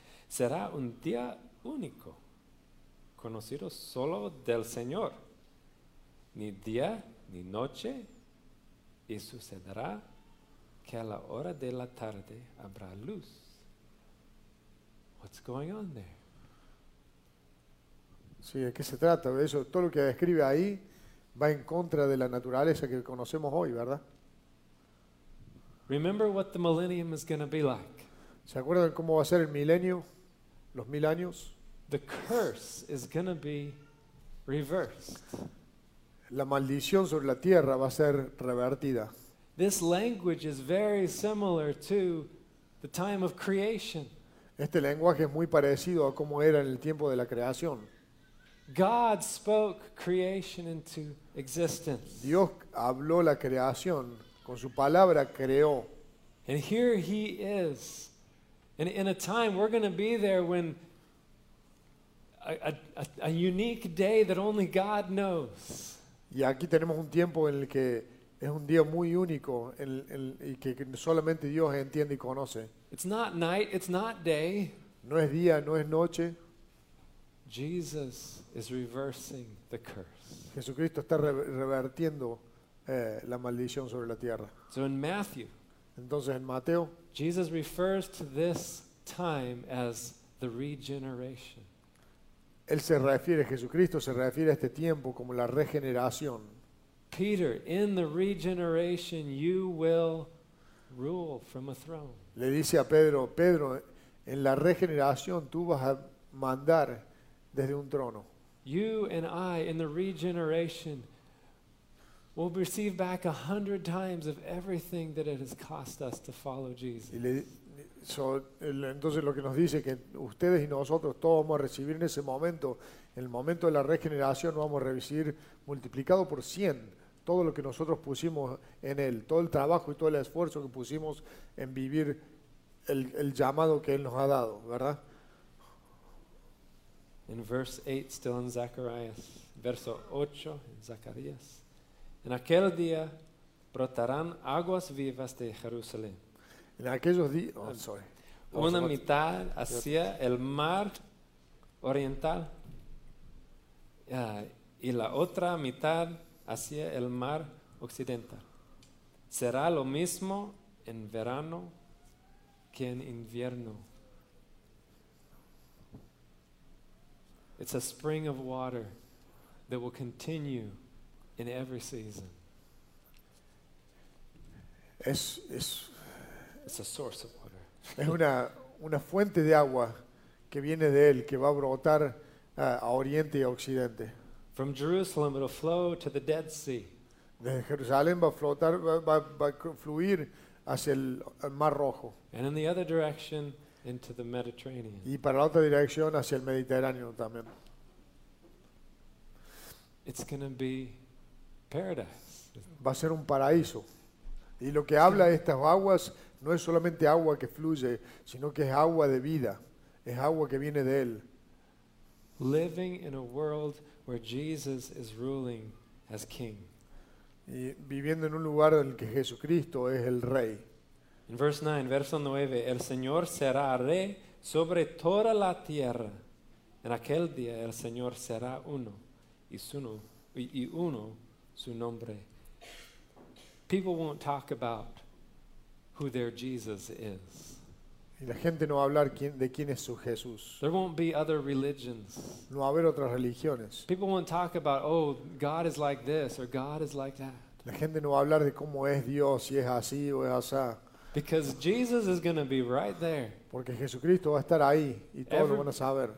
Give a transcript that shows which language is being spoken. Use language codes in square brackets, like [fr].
[es] Será un día único, conocido solo del Señor, ni día ni noche, y sucederá que a la hora de la tarde habrá luz. [en] What's going on there? [es] Sí, ¿de qué se trata? De eso, todo lo que describe ahí va en contra de la naturaleza que conocemos hoy, ¿verdad? [en] Remember what the millennium is going to be like. [es] ¿Se acuerdan cómo va a ser el milenio, los mil años? [en] The curse is going to be reversed. [es] La maldición sobre la tierra va a ser revertida. [en] This language is very similar to the time of creation. [es] Este lenguaje es muy parecido a cómo era en el tiempo de la creación. [en] God spoke creation into existence. [es] Dios habló la creación, con su palabra creó. [en] And here he is. And in a time we're going to be there when a unique day that only God knows. [es] Y aquí tenemos un tiempo en el que es un día muy único y que solamente Dios entiende y conoce. [en] It's not night, it's not day. [es] No es día, no es noche. [en] Jesus is reversing the curse. [es] Jesucristo está revertiendo la maldición sobre la tierra. [en] So in Matthew, [es] entonces en Mateo, [en] Jesus refers to this time as the regeneration. [es] Él se refiere, Jesucristo se refiere a este tiempo como la regeneración. [en] Peter, in the regeneration you will rule from a throne. [es] Le dice a Pedro, Pedro, en la regeneración tú vas a mandar desde un trono. [en] You and I in the regeneration will receive back 100 times of everything that it has cost us to follow Jesus. [es] Y le, so, el, entonces lo que nos dice que ustedes y nosotros todos vamos a recibir en ese momento, en el momento de la regeneración, vamos a recibir multiplicado por 100 todo lo que nosotros pusimos en él, todo el trabajo y todo el esfuerzo que pusimos en vivir el llamado que él nos ha dado, ¿verdad? [en] In verse 8, still in Zacharias, [es] verso 8 en Zacarías. En aquel día brotarán aguas vivas de Jerusalén. En aquellos días, [en] oh, sorry. [es] Una mitad hacia el mar oriental y la otra mitad hacia el mar occidental. Será lo mismo en verano que en invierno. [en] It's a spring of water that will continue in every season. It's a source of water. [es] Es una fuente de agua que viene de él, que va a brotar a oriente y a occidente. [en] From Jerusalem it'll flow to the Dead Sea. [es] De Jerusalén va a flotar, va a fluir hacia el Mar Rojo. [en] And in the other direction into the Mediterranean. [es] Y para la otra dirección hacia el Mediterráneo también. [en] It's going to be paradise. [es] Va a ser un paraíso. Y lo que habla de estas aguas no es solamente agua que fluye, sino que es agua de vida. Es agua que viene de él. [en] Living in a world where Jesus is ruling as king. [es] Y viviendo en un lugar en el que Jesucristo es el rey. [en] In verse 9, [es] verso 9, el Señor será rey sobre toda la tierra. En aquel día el Señor será uno y uno su nombre. [en] People won't talk about who their Jesus is. [es] Y la gente no va a hablar de quién es su Jesús. [en] There won't be other religions. [es] No va a haber otras religiones. [en] People won't talk about, oh, God is like this or God is like that. [es] La gente no va a hablar de cómo es Dios, si es así o es así. [en] Because Jesus is going to be right there. [es] Porque Jesucristo va a estar ahí y todos lo van a saber.